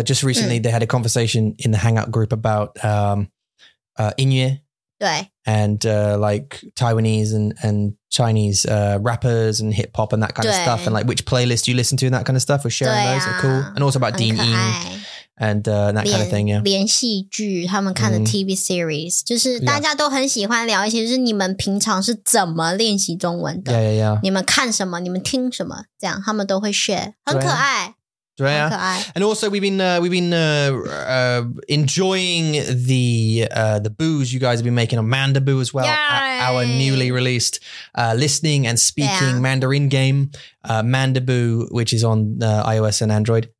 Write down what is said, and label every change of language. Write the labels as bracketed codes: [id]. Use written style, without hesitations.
[en] Just recently, they had a conversation in the Hangout group about 音乐。 [zh] 对, [en] and like Taiwanese and Chinese rappers and hip hop and that kind of stuff, and like which playlist you listen to and that kind of stuff. We're sharing those, are cool, and also about Dean Yin and that kind of thing. Yeah, [zh] 连戏剧他们看的 TV series, 就是大家都很喜欢聊一些，就是你们平常是怎么练习中文的？ [en] Yeah, yeah, yeah. [zh] 你们看什么？你们听什么？这样他们都会 share, 很可爱。 [en] Drea. And also we've been enjoying the booze you guys have been making on Manda Boo as well. Our newly released listening and speaking Mandarin game, Manda Boo, which is on iOS and Android.